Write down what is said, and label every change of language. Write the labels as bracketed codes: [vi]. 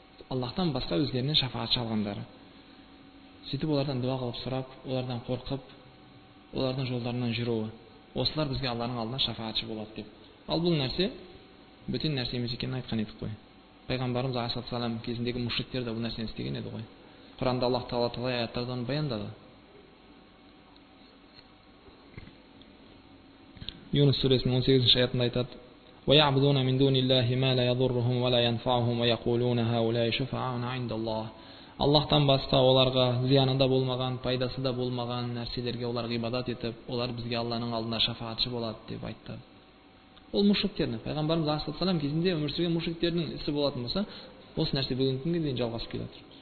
[kk] Аллахтан басқа өздерінен шафаатшы алғандары. Сөйтіп олардан дұға қылып сұрап, олардан қорқып, олардың жолдарынан жүруі. Осылар бізге Алланың алдына шафаатшы болады деп. Ал бұл нәрсе бүтін нәрсе емес екенін айтқан едік қой. Пайғамбарымыз алейхиссалам кезіндегі мушриктер де бұл нәрсені істеген еді ғой. Құранда Аллах тағала талай аяттарда оны баяндады. Юнус сүресінің 18-ші аятында айтады: [ar] وَيَعْبُدُونَ مِنْ دُونِ اللَّهِ مَا لَا يَضُرُّهُمْ وَلَا يَنْفَعُهُمْ وَيَقُولُونَ هَؤُلَاءِ شُفَعَاؤُنَا عِنْدَ اللَّهِ. [kk] Аллахтан басқа оларға зияны да болмаған, пайдасы да болмаған нәрселерге олар ғибадат етіп, олар бізге Алланың алдында шафаатшы болады деп айтты. Ол мушриктердің, пайғамбарымыз алейхиссалам кезінде өмір сүрген мушриктердің ісі болатын болса, осы нәрсе бүгінгі күнге дейін жалғасып келеді.